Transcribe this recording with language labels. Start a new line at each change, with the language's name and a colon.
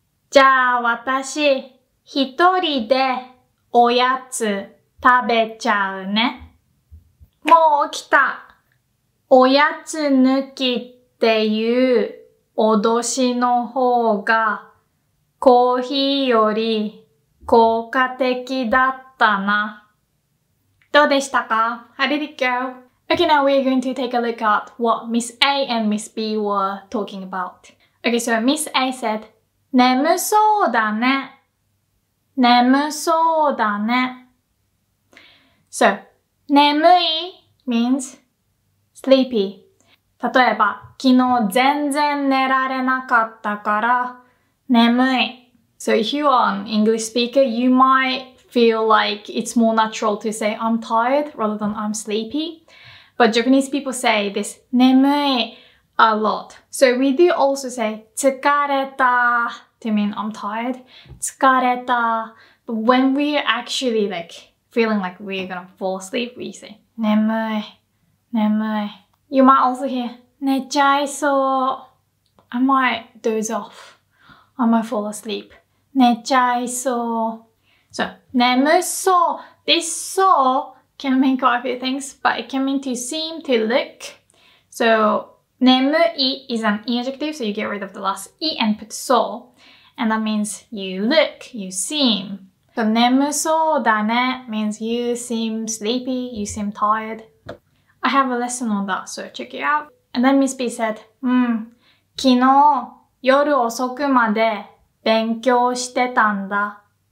Japanese: じゃあ私、一人でおやつ食べちゃうね。もう起きた。おやつ抜きっていう脅しの方がコーヒーより効果的だったな。どうでしたか？
English: How did it go? Okay, now we're going to take a look at what Miss A and Miss B were talking about. Okay, so Miss A said,
Japanese: 眠そうだね。眠そうだね。
English: So,
Japanese: 眠い
English: means sleepy.
Japanese: 例えば、昨日全然寝られなかったから眠い。
English: So if you are an English speaker, you might feel like it's more natural to say I'm tired rather than I'm sleepy. But Japanese people say this
Japanese: 眠い
English: a lot. So we do also say
Japanese: 疲れた
English: to mean I'm tired.
Japanese: 疲れた。
English: But when we're actually like feeling like we're gonna fall asleep, we say
Japanese: 眠い。眠い。
English: You might also hear
Japanese: 寝ちゃいそう。
English: I might doze off. I might fall asleep.
Japanese: 寝ちゃいそう。
English: So,
Japanese: 眠そう。This そう
English: can mean quite a few things, but it can mean to seem, to look. So,
Japanese: 眠い
English: is an adjective, so you get rid of the last いand put そう. And that means you look, you seem. So,
Japanese: 眠そうだね
English: means you seem sleepy, you seem tired. I have a lesson on that, so check it out. And then Miss B said,
Japanese: 昨日夜遅くまで勉強してたんだ。